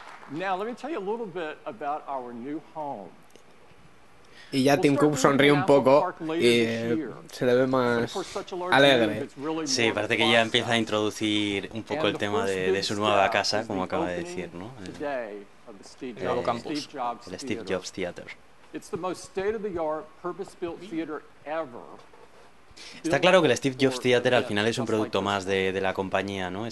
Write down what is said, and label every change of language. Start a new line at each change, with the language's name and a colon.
English: Now let me tell you a little bit about our new home.
Spanish: Y ya Tim Cook sonríe un poco y se le ve más alegre. Sí, parece que ya empieza a introducir un poco el tema de su nueva casa, como acaba de decir, ¿no? El Steve Jobs Theater.
English: It's the most state-of-the-art, purpose-built theater ever.
Spanish: Está claro que el Steve Jobs Theater al final es un producto más de la compañía, ¿no?